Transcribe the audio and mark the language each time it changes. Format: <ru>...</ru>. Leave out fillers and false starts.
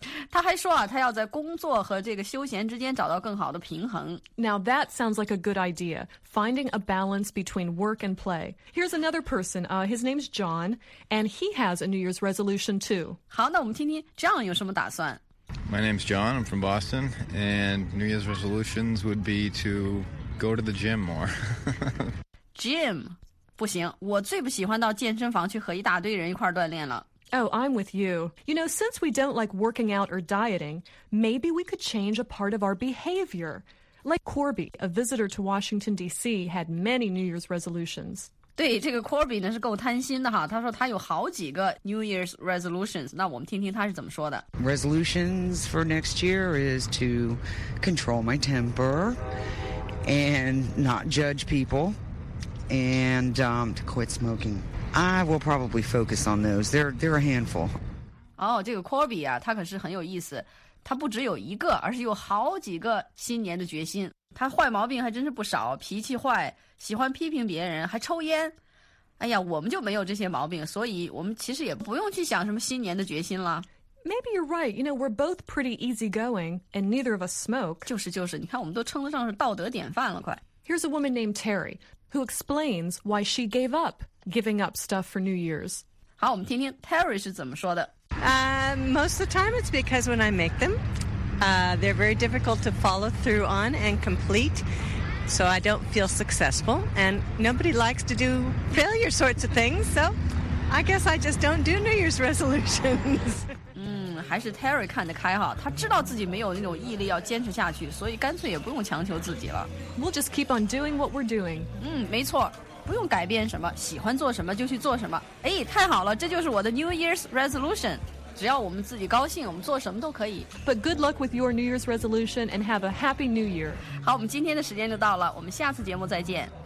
<zh>她还说啊，她要在工作和这个休闲之间找到更好的平衡。</zh> <en>Now that sounds like a good idea, finding a balance between work and play. Here's another person. His name's John, and he has a New Year's resolution too.</en> <zh>好，那我们听听 John 有什么打算。</zh> <en>My name's John, I'm from Boston, and New Year's resolutions would be to go to the gym more. Gym?</en> <zh>不行，我最不喜欢到健身房去和一大堆人一块锻炼了。</zh> <en>Oh, I'm with you. You know, since we don't like working out or dieting, maybe we could change a part of our behavior. Like Corby, a visitor to Washington, D.C., had many New Year's resolutions.</en> <zh>对，这个 Corby 呢是够贪心的哈，他说他有好几个 New Year's resolutions， 那我们听听他是怎么说的。</zh> <en>Resolutions for next year is to control my temper and not judge people and to quit smoking. I will probably focus on those. They're a handful.</en> <zh>哦，这个 Corby 啊，他可是很有意思，他不只有一个，而是有好几个新年的决心。他坏毛病还真是不少，脾气坏，喜欢批评别人，还抽烟。哎呀，我们就没有这些毛病，所以我们其实也不用去想什么新年的决心了。</zh> <en>Maybe you're right. You know, we're both pretty easygoing, and neither of us smoke.</en> <zh>就是，你看我们都称得上是道德典范了，快。</zh> <en>Here's a woman named Terry who explains why she gave up giving up stuff for New Year's.</en> <zh>好，我们听听 Terry 是怎么说的。</zh> <en>Most of the time, it's because when I make them. They're very difficult to follow through on and complete, so I don't feel successful, and nobody likes to do failure sorts of things, so I guess I just don't do New Year's resolutions.</en> <zh>还是 Terry 看得开哈，他知道自己没有那种毅力要坚持下去，所以干脆也不用强求自己了。</zh> <en>We'll just keep on doing what we're doing.</en> <zh>没错，不用改变什么，喜欢做什么就去做什么。哎，太好了，这就是我的 New Year's resolution. 只要我们自己高兴，我们做什么都可以。</zh> <en>But good luck with your New Year's resolution and have a happy New Year.</en> <zh>好，我们今天的时间就到了，我们下次节目再见。</zh>